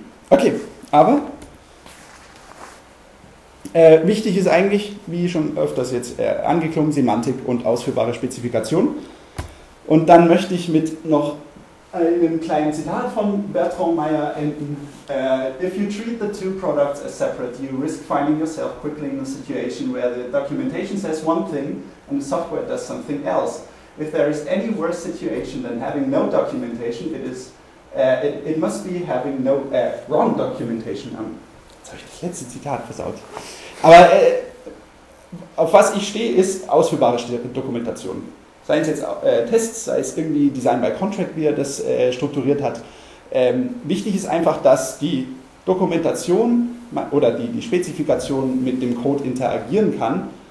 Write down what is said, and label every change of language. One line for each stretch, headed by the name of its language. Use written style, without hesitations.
German: Okay, aber wichtig ist eigentlich, wie schon öfters jetzt angeklungen, Semantik und ausführbare Spezifikation. Und dann möchte ich mit noch einem kleinen Zitat von Bertrand Meyer enden.
English: If you treat the two products as separate, you risk finding yourself quickly in a situation where the documentation says one thing and the software does something else. If there is any worse situation than having no documentation, it must be having no wrong documentation.
German: Jetzt habe ich das letzte Zitat versaut. Aber auf was ich stehe, ist ausführbare Dokumentation. Seien es jetzt Tests, sei es irgendwie Design by Contract, wie er das strukturiert hat. Wichtig ist einfach, dass die Dokumentation oder die Spezifikation mit dem Code interagieren kann.